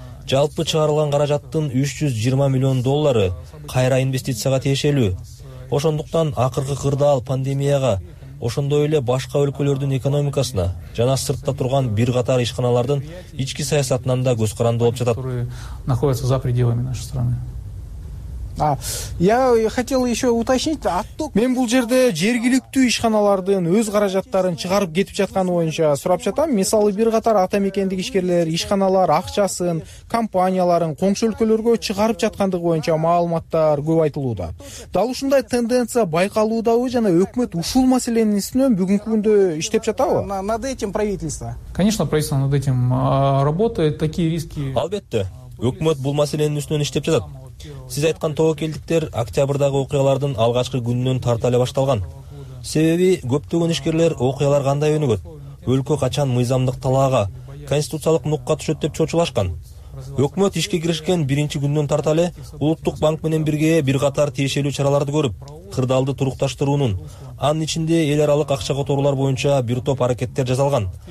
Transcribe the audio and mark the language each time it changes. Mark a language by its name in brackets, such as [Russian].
[Kyrgyz] жалпы чыгарылган каражаттын 320 миллион доллары кайра инвестицияга тиешелүү. Ошондуктан акыркы кырдаал пандемияга, ошондой эле башка өлкөлөрдүн экономикасына жана сыртта турган бир катар ишканалардын ички саясатынан да көз каранды болуп жатат. [Russian] Находятся за пределами нашей страны. Я хотел еще уточнить, [Kyrgyz] Мен бул жерде жергиликтүү ишканалардын өз каражаттарын чыгарып кетип жатканы боюнча сурап жатам. Мисалы, бир катар атамекендик ишкерлер, ишканалар акчасын, компанияларын коңшу өлкөлөргө чыгарып жаткандыгы боюнча маалыматтар көп айтылууда. Дал ушундай тенденция байкалуудабы жана өкмөт ушул маселенин үстүнөн бүгүнкү күндө иштеп жатабы? [Russian] Над этим правительство. Конечно, правительство над этим работает, такие риски. [Kyrgyz] Албетте, өкмөт бул маселенин үстүнөн иштеп жатат. Сиз айткан тобокелдиктер октябрдагы окуялардын алгачкы күнүнөн тарта эле башталган. Себеби көптөгөн ишкерлер окуялар кандай өнүгөт, өлкө качан мыйзамдык талаага, конституциялык нукка түшөт деп чочулашкан. Өкмөт ишке киришкен биринчи күнүнөн тарта эле улуттук банк менен бирге бир катар тиешелүү чараларды көрүп, кырдаалды турукташтыруунун, анын ичинде эл аралык акча которуулар боюнча бир топ аракеттер жасалган.